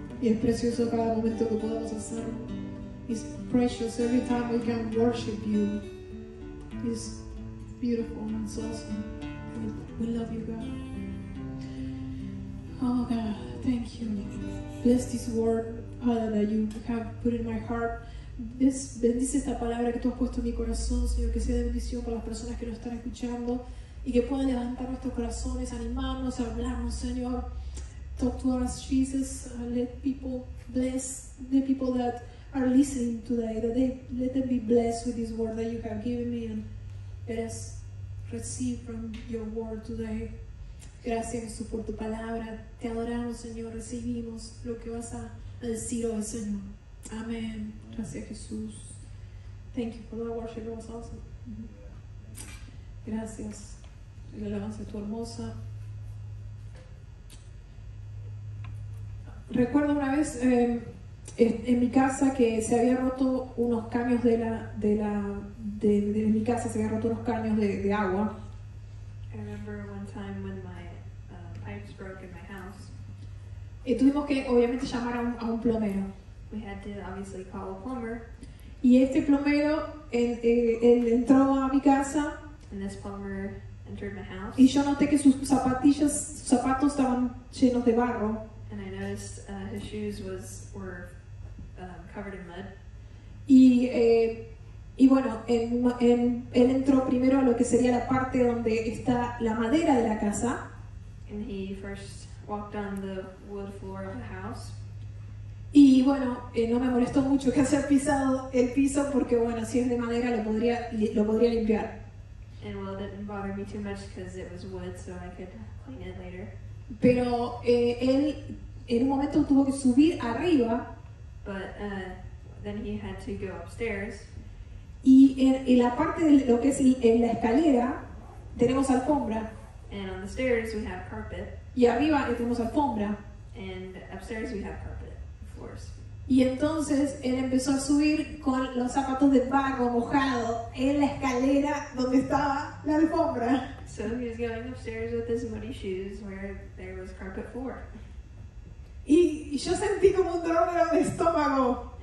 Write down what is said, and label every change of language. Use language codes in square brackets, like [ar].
[es] Y es precioso cada momento que podamos hacerlo. [en] It's precious every time we can worship you. It's beautiful and so awesome. We love you, God. Oh, God, thank you. Bless this word, Father, that you have put in my heart. [es] Bendice esta palabra que tú has puesto en mi corazón, Señor, que sea de bendición para las personas que nos están escuchando y que puedan levantar nuestros corazones, animarnos, hablarnos, Señor. [en] Talk to us, Jesus. Let people bless the people that are listening today. That they let them be blessed with this word that you have given me, and let us receive from your word today. [es] Gracias, Jesús, por tu palabra. Te adoramos, Señor. Recibimos lo que vas a decir hoy, Señor. Amén. Gracias, Jesús. [en] Thank you for that worship. It was awesome. [es] Gracias. La alabanza es tu hermosa. Recuerdo una vez en mi casa que se había roto unos caños de mi casa, se había roto unos caños de agua. [en] I remember one time when my pipes broke in my house. [es] Y tuvimos que obviamente llamar a un plomero. [en] We had to obviously call a plumber. [es] Y este plomero él entró a mi casa. [en] And this plumber entered my house. [es] Y yo noté que sus zapatos estaban llenos de barro. [en] And I noticed his shoes were covered in mud. [es] Y bueno, él entró primero a lo que sería la parte donde está la madera de la casa. [en] And he first walked on the wood floor of the house. [es] Y bueno, no me molestó mucho que haya pisado el piso porque bueno, si es de madera lo podría limpiar. [en] And well, it didn't bother me too much because it was wood, so I could clean it later. [es] Pero él en un momento tuvo que subir arriba. [en] But then he had to go upstairs. [es] Y en la parte de lo que es en la escalera tenemos alfombra. [en] And on the stairs we have carpet. [es] Y arriba tenemos alfombra. [en] And upstairs we have carpet, of course. [es] Y entonces él empezó a subir con los zapatos de pago mojado en la escalera donde estaba la alfombra. [en] So he was going upstairs with his muddy shoes where there was carpet floor. [es] Y yo sentí como un dolor en el estómago.